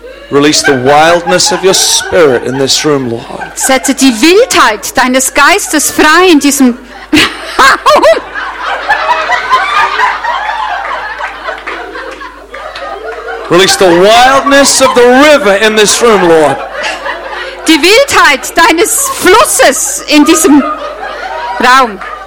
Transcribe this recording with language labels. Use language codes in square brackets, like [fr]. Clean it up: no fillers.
[en] Release the wildness of your spirit in this room, Lord. [de] Setze die Wildheit deines Geistes frei in diesem Raum. [en] Release the wildness of the river in this room, Lord. [de] Die Wildheit deines Flusses in diesem Raum.